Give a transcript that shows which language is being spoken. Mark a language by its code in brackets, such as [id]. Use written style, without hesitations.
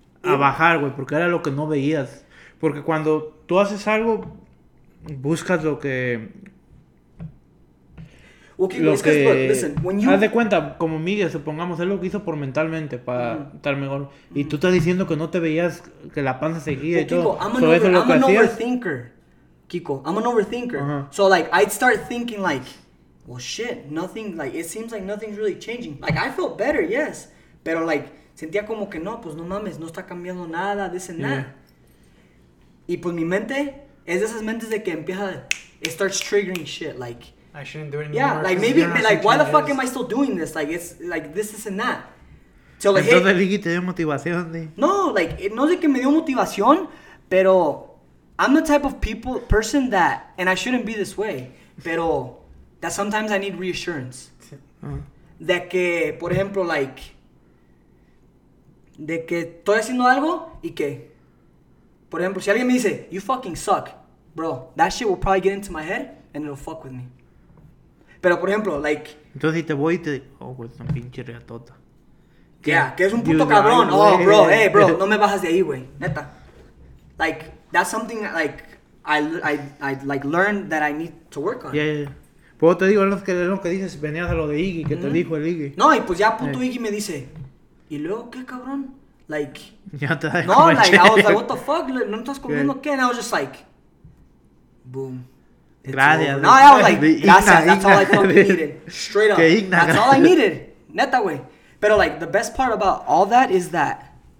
[es] A bajar, güey, porque era lo que no veías. Porque cuando tú haces algo, buscas lo que... Okay, lo que... [en] Listen, [es] haz de cuenta, como Miguel, supongamos, él lo que hizo por mentalmente, para estar mejor. Mm-hmm. Y tú estás diciendo que no te veías, que la panza seguía y todo. [en] Kiko, I'm an overthinker. Kiko, I'm an overthinker. Uh-huh. So, like, I'd start thinking, like, well, shit, nothing, like, it seems like nothing's really changing. Like, I felt better, yes. Pero, like... [es] Sentía como que no, pues no mames, no está cambiando nada, dicen nada. Y pues mi mente es de esas mentes de que empieza, [en] it starts triggering shit, like. I shouldn't do it anymore. Yeah, like maybe, like, why the fuck am I still doing this? Like, it's, like, this, this and that. [es] Entonces, Ligi te dio motivación, ¿sí? [en] No, like, [es] no sé que me dio motivación, [en] pero I'm the type of person that, and I shouldn't be this way, pero that sometimes I need reassurance. [es] De que, por ejemplo, like, de que estoy haciendo algo y que, por ejemplo, si alguien me dice, [en] you fucking suck, bro, that shit will probably get into my head and it'll fuck with me. [es] Pero, por ejemplo, like... Entonces, si te voy y te digo, oh, güey, es un pinche reatota. Yeah, que es un puto cabrón. Oh, bro, hey, bro, no me bajas de ahí, güey, neta. [en] Like, that's something, like, I like, learned that I need to work on. Yeah. [es] Pues te digo, lo que dices, venías a lo de Iggy, que te dijo el Iggy. No, y pues ya puto Iggy me dice... ¿Y luego qué, cabrón? Like... Ya te da [en] no, like, chévere. I was like, what the fuck? [es] ¿No estás comiendo qué? [en] And I was just like... Boom. [es] Gracias. [en] No, I was like, gracias. That's all I fucking needed. Straight up. That's all I needed. [es] Neta, güey. [en] Pero, like, the best part about all that is that...